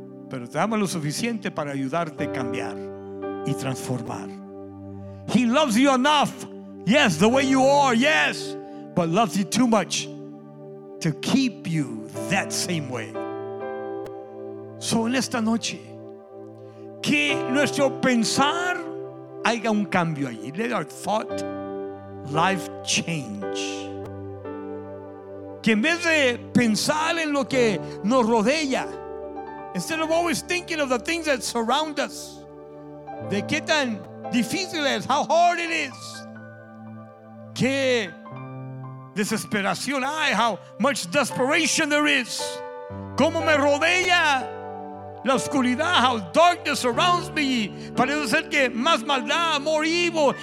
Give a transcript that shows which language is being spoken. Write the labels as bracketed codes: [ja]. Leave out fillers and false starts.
[es] Pero te ama lo suficiente para ayudarte a cambiar y transformar. [en] He loves you enough, yes, the way you are, yes, but loves you too much to keep you that same way. [es] So en esta noche, que nuestro pensar haya un cambio allí. [en] Let our thought life change. [es] Que en vez de pensar en lo que nos rodea, [en] instead of always thinking of the things that surround us, [es] de qué tan difícil es, [en] how hard it is, [es] qué desesperación hay, [en] how much desperation there is, [es] cómo me rodea la oscuridad, [en] how darkness surrounds me, [es] parece ser que más maldad, [en] more evil.